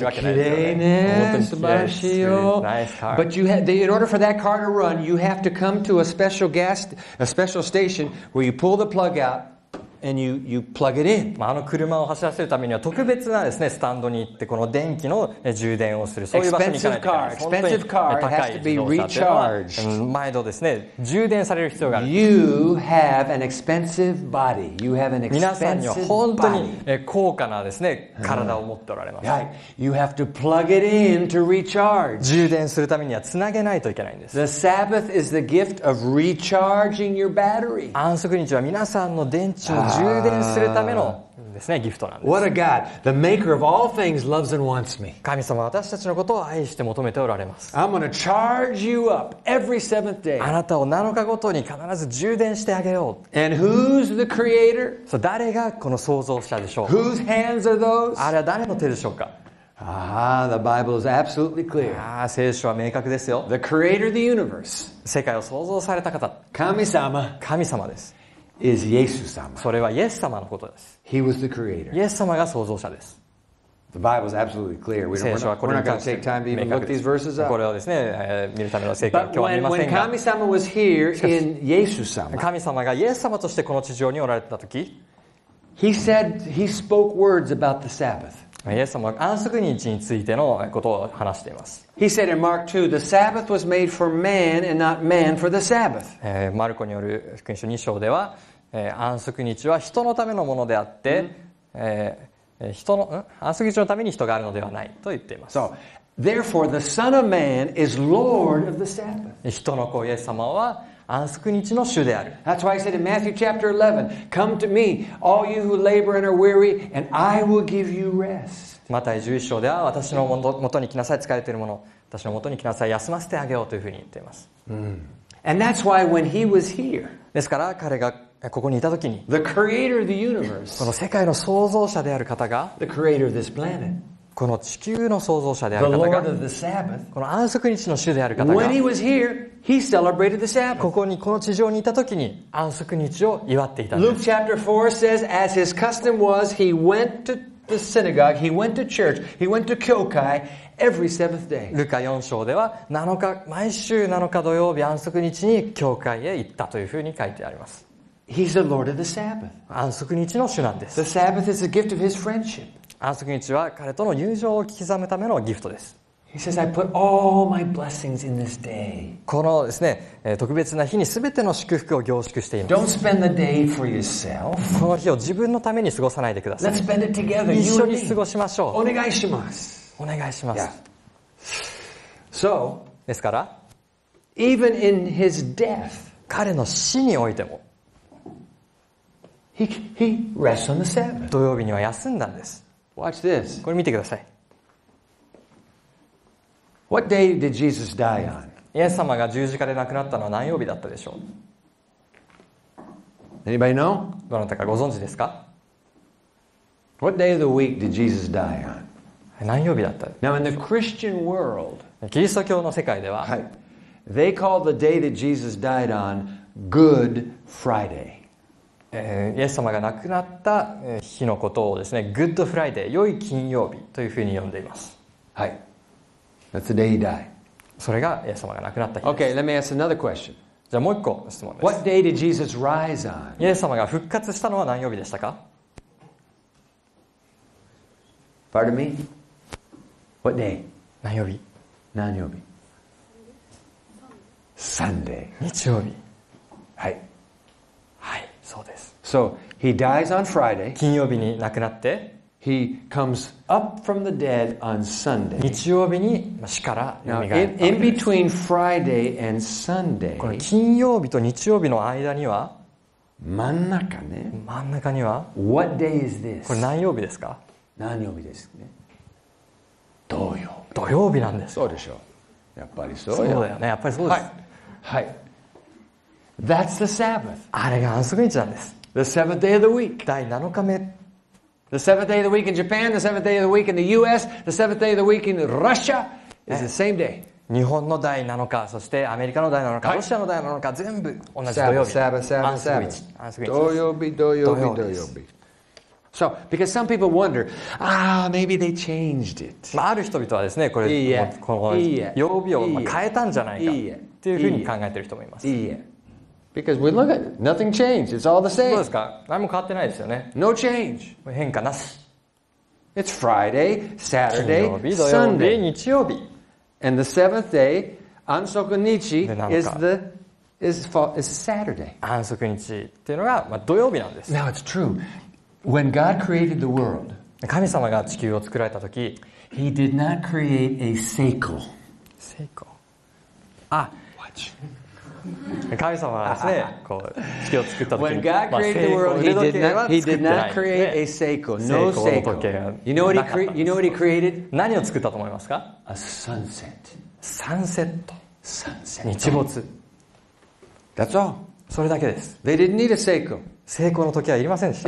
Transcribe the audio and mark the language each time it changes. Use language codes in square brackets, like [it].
[en] today, yes, but you have, in order for that car to run, you have to come to a special station where you pull the plug out and you plug it in. [ja] あの車を走らせるためには特別なですね、スタンドに行ってこの電気の充電をする、そういう場所に行かないといけない。 [en] Expensive car, expensive car has to be recharged. [ja] 毎度ですね、充電される必要がある。 [en] You have an expensive body. You have an expensive body. [ja] 皆さんには本当に高価なですね、体を持っておられます。 [en] Yeah. You have to plug it in to recharge. [ja] 充電するためにはつなげないといけないんです。 [en] The Sabbath is the gift of recharging your battery. [ja] 安息日は皆さんの電池を充電するためのですね、ギフトなんです。 [en] What a God! The maker of all things loves and wants me. [ja] 神様は私たちのことを愛して求めておられます。 [en] I'm gonna charge you up every seventh day. [ja] あなたを7日ごとに必ず充電してあげよう。 [en] And who's the creator? [ja] そう、誰がこの創造者でしょう。 [en] Whose hands are those? [ja] あれは誰の手でしょうか。 [en] Ah, the Bible is absolutely clear. [ja] ああ、聖書は明確ですよ。 [en] The creator of the universe. [ja] 世界を創造された方。神様。神様です。 [en] Is Jesus 様。 [ja] それはイエス様のことです。 [en] He was the creator. [ja] イエス様が創造者です。 [en] The Bible is absolutely clear. We don't want to take time to even look these verses up. [ja] これをですね、見るための聖書は今日は見ませんが。 [en] But when 神様 was here in Jesus 様。 [ja] 神様がイエス様としてこの地上におられた時、 [en] He said, He spoke words about the Sabbath. [ja] イエス様は安息日についてのことを話しています。 [en] He said in Mark 2, the Sabbath was made for man and not man for the Sabbath. [ja] マルコによる福音書2章では、安息日は人のためのものであって、安息日のために人があるのではないと言っています。 [en] So, therefore, the Son of Man is Lord of the Sabbath. [ja] 人の子イエス様は安息日の主である。 [en] That's why I said in Matthew chapter 11, come to me, all you who labor and are weary, and I will give you rest. [ja] マタイ11章では、私のもとに来なさい、疲れている者、私のもとに来なさい、休ませてあげようというふうに言っています。 [en] And that's why when he was here, [ja] ですから彼がここにいたときに、 [en] the creator of the universe, [ja] この世界の創造者である方が、 [en] the creator of this planet, [ja] この地球の創造者である方が、この安息日の主である方が、 [en] When he was here, he celebrated the Sabbath. [ja] ここにこの地上にいた時に安息日を祝っていたんです。 [en] Luke chapter 4 says, as his custom was, he went to the synagogue, he went to church, he went to 教会 every seventh day. [ja] ルカ4章では毎週7日土曜日安息日に教会へ行ったというふうに書いてあります。 [en] He's the Lord of the Sabbath. [ja] 安息日の主なんです。 [en] The Sabbath is a gift of his friendship. [ja] 安息日は彼との友情を刻むためのギフトです。 [en] He says, I put all my blessings in this day. [ja] このですね、特別な日に全ての祝福を凝縮しています。 [en] Don't spend the day for yourself. [ja] この日を自分のために過ごさないでください。 [en] Let's spend it together. [ja] 一緒に過ごしましょう。お願いします。お願いします。 [en] So, [ja] ですから、 [en] even in his death, [ja] 彼の死においても、 [en] he rests on the Sabbath. [ja] 土曜日には休んだんです。 [en] Watch this. [ja] これ見てください。 [en] What day did Jesus die on? [ja] イエス様が十字架で亡くなったのは何曜日だったでしょう。 [en] Anybody know? [ja] どなたかご存知ですか。 [en] What day of the week did Jesus die on? [ja] 何曜日だった。 [en] Now in the Christian world, [ja] キリスト教の世界では、 [en] はい、they call the day that Jesus died on Good Friday. [ja] イエス様が亡くなった日のことをですね、グッドフライデー、良い金曜日というふうに呼んでいます。 [en] はい。That's the day he died. [ja] それがイエス様が亡くなった日です。 [en] Okay, let me ask another question. [ja] じゃあもう一個質問です。 [en] What day did Jesus rise on? [ja] イエス様が復活したのは何曜日でしたか? [en] Pardon me? What day? [ja] 何曜日? 何曜日? [en] Sunday. [ja] 日曜日。はい。はい。そうです。 [en] So, he dies on Friday. [ja] 金曜日に亡くなって、 [en] he comes up from the dead on Sunday. [ja] 日曜日に死から蘇ったわけです。 [en] In between Friday and Sunday. [ja] この金曜日と日曜日の間には、真ん中ね。真ん中には、 [en] What day is this? [ja] これ何曜日ですか？何曜日ですね。土曜。土曜日なんです。そうでしょう。やっぱりそうよ。そうだよね。やっぱりそうです。 [en] はい。はい。That's the Sabbath. [ja] あれが安息日なんです。 [en] The seventh day of the week. [ja] 第7日目。 [en] The seventh day of the week in Japan, the seventh day of the week in the US, the seventh day of the week in Russia is the same day. [ja] 日本の第7日、そしてアメリカの第7日、はい、ロシアの第7日、全部同じ土曜日。 Sabbath. 安息日。土曜日。 [en] So, because some people wonder, maybe they changed it. [ja] まあ、ある人々はですね、これ、この曜日を変えたんじゃないかっていうふうに考えてる人もいます。 [en] Because we look at it, nothing changed. It's all the same. [ja] どうですか？何も変わってないですよね。 [en] No change. [ja] 変化なし。 [en] It's Friday, Saturday, Sunday. [ja] 日曜日。 [en] And the seventh day, 安息日 is Saturday. [ja] 安息日っていうのが、まあ、土曜日なんです。 [en] Now it's true. When God created the world, [ja] 神様が地球を作られた時、 [en] He did not create a cycle. Cycle. Ah. Watch. [ja] 神様はですね、こう地球を作った時に、 [en] When God created the world, He did not create a cycle, no cycle. You know what He created? [ja] 何を作ったと思いますか [en] ？A sunset. Sunset. Sunset. [ja] 日没。 [en] That's all. [ja] それだけです。 [en] They didn't need a cycle. [ja] 成功の時はいりませんでした。